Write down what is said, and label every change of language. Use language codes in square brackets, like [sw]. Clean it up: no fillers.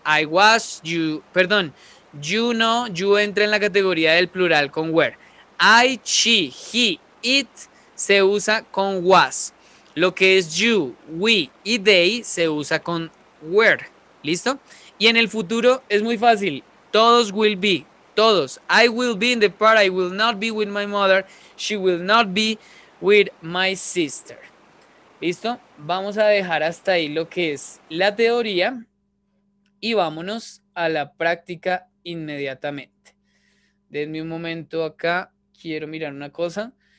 [en] I was, [es] you, perdón, you no, you entra en la categoría del plural con were. I, she, he, it, se usa con was. Lo que es you, we y they se usa con were. ¿Listo? Y en el futuro es muy fácil. Todos [en] will be. Todos. I will be in the park. I will not be with my mother. She will not be with my sister. [es] ¿Listo? Vamos a dejar hasta ahí lo que es la teoría y vámonos a la práctica inmediatamente. Denme un momento acá. Quiero mirar una cosa.